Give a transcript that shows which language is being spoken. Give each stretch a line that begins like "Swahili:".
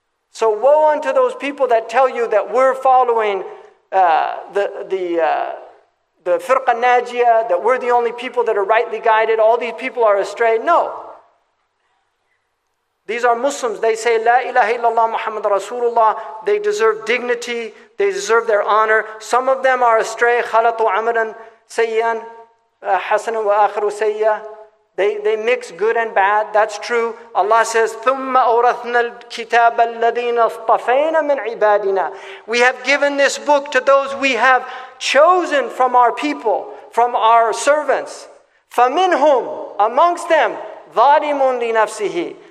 English: So woe unto those people that tell you that we're following the Firqa Najiya, that we're the only people that are rightly guided, all these people are astray. No. These are Muslims. They say,
Arabic: La ilaha illallah Muhammad Rasulullah.
English: They deserve dignity. They deserve their honor. Some of them are astray.
Arabic: خَلَطُوا عَمَلًا سَيِّئًا حَسَنًا وَآخِرُ سَيِّئًا.
English: They mix good and bad. That's true. Allah says,
Arabic: ثُمَّ أَوْرَثْنَا الْكِتَابَ الَّذِينَ اصْطَفَيْنَا مِنْ عِبَادِنَا.
English: We have given this book to those we have chosen from our people, from our servants.
Arabic: فَمِنْهُمْ,
English: amongst them,
Arabic: ظَالِمٌ لِنَفْسِهِ.